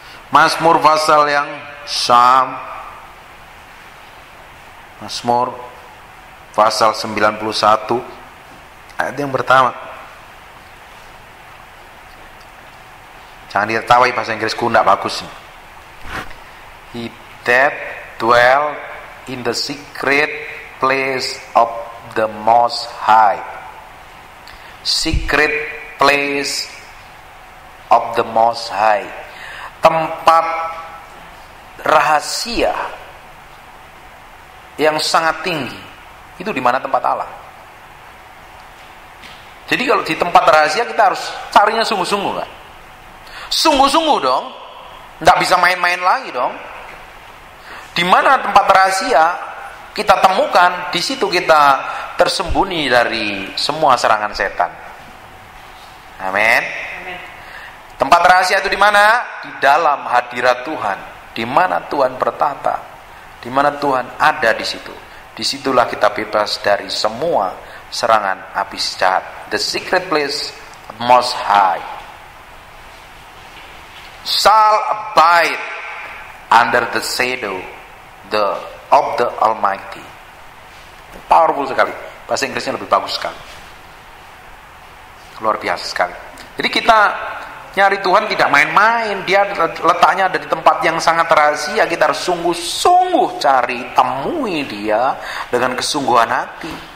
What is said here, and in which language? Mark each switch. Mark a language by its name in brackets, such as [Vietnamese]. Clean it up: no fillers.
[Indonesian] Mazmur pasal yang Psalm Mazmur pasal 91 ayat yang pertama. Jangan ditertawai, bahasa Inggris ku tidak bagus. [English] He that dwell in the secret place of the Most High. Secret place of the Most High. [Indonesian] Tempat rahasia yang sangat tinggi. Itu di mana tempat Allah. Jadi kalau di tempat rahasia kita harus carinya sungguh-sungguh, kan? Sungguh-sungguh dong. Enggak bisa main-main lagi dong. Di mana tempat rahasia kita temukan, di situ kita tersembunyi dari semua serangan setan. Amin. Tempat rahasia itu di mana? Di dalam hadirat Tuhan, di mana Tuhan bertata, di mana Tuhan ada di situ. Disitulah kita bebas dari semua serangan api jahat. [English] The secret place of Most High. Shall abide under the shadow of the Almighty. [Indonesian] Powerful sekali. Bahasa Inggrisnya lebih bagus sekali. Luar biasa sekali. Jadi kita nyari Tuhan tidak main-main. Dia letaknya ada di tempat yang sangat rahasia. Kita harus sungguh-sungguh cari, temui dia dengan kesungguhan hati.